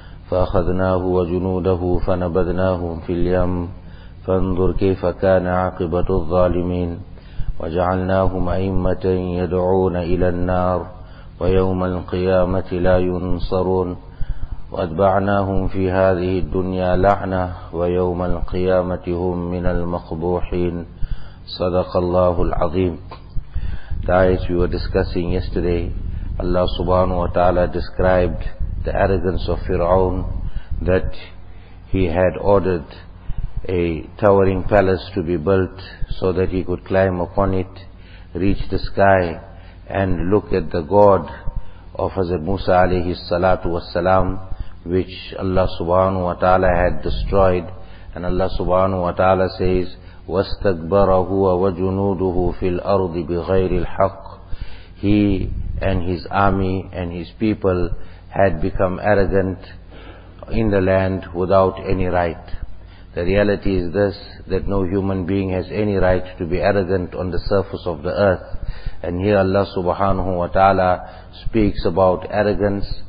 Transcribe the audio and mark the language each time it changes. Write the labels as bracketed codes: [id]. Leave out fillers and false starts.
[ar] فأخذناه وجنوده فنبذناهم في اليم فانظر كيف كان عاقبة الظالمين وجعلناهم أئمة يدعون إلى النار ويوم القيامة لا ينصرون وأتبعناهم في هذه الدنيا لعنة ويوم القيامة هم من المقبوحين صدق الله العظيم. [en] Guys, we were discussing yesterday, Allah subhanahu wa ta'ala described the arrogance of Fir'aun, that he had ordered a towering palace to be built so that he could climb upon it, reach the sky and look at the God of Hazrat Musa alayhi salatu wassalam, which Allah subhanahu wa ta'ala had destroyed. And Allah subhanahu wa ta'ala says, [ar] وَاسْتَكْبَرَ هُوَ وَجُنُودُهُ فِي الْأَرْضِ بِغَيْرِ الْحَقِّ. [en] He and his army and his people had become arrogant in the land without any right. The reality is this, that no human being has any right to be arrogant on the surface of the earth. And here Allah subhanahu wa ta'ala speaks about arrogance.